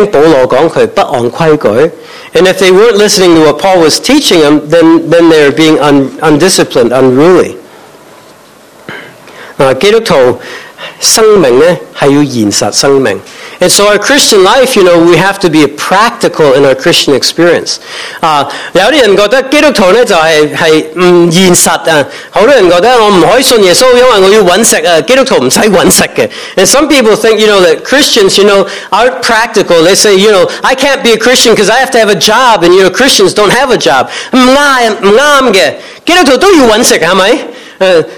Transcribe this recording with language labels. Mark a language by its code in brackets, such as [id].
[zh] 如果他是不听保罗说,他不按规矩, [en] and if they weren't listening to what Paul was teaching them, then they're being undisciplined, unruly. [zh] 基督徒生命呢,是要现实生命。 [en] And so our Christian life, you know, we have to be practical in our Christian experience. [zh] 有些人觉得基督徒就是不现实的。很多人觉得我不可以信耶稣,因为我要稳食,基督徒不用稳食的。 [en] And some people think, you know, that Christians, you know, aren't practical. They say, you know, I can't be a Christian because I have to have a job, and you know, Christians don't have a job. [zh] 不对的,基督徒都要稳食,是不是?